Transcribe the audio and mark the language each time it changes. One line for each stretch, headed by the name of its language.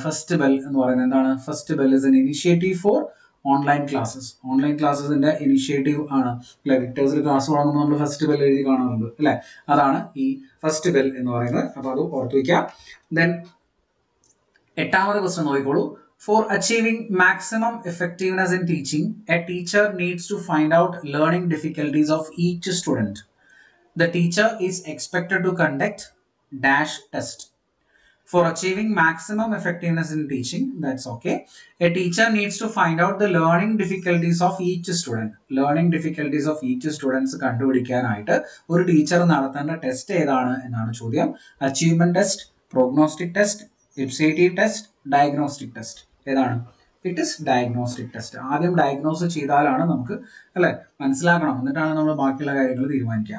Malayalam: First bell എന്ന് പറയുന്നത് എന്താണ്?
English: First Bell is an initiative for online classes.
Malayalam: Online ക്ലാസ്സസിന്റെ initiative ആണ് അല്ലെ. വിക്ടേഴ്സിൽ ക്ലാസ് തുടങ്ങുമ്പോൾ നമ്മൾ ഫസ്റ്റ് ബെൽ എഴുതി കാണുന്നുണ്ട് അല്ലെ, അതാണ് ഈ ഫസ്റ്റ് ബെൽ എന്ന് പറയുന്നത്. അപ്പൊ അത് ഓർത്ത് വയ്ക്കുക. ദെൻ എട്ടാമത്തെ ക്വസ്റ്റ്യൻ നോക്കിക്കോളൂ.
English: For achieving maximum effectiveness in teaching, a teacher needs to find out learning difficulties of each student. The teacher is expected to conduct dash test. For achieving maximum effectiveness in teaching, that's okay. A teacher needs to find out the learning difficulties of each student. Learning difficulties of each student's
Malayalam: കണ്ടുപിടിക്കാനായിട്ട് ഒരു teacher നടത്തേണ്ട test ഏതാണ് എന്നാണ് ചോദ്യം.
English: Achievement test, prognostic test, Eligibility test, diagnostic test. ഏതാണ്? It is diagnostic test.
Malayalam: ആദ്യം diagnose ചെയ്താലാണ് നമുക്ക് അല്ലെ മനസ്സിലാക്കണം, എന്നിട്ടാണ് നമ്മൾ ബാക്കിയുള്ള കാര്യങ്ങൾ തീരുമാനിക്കുക.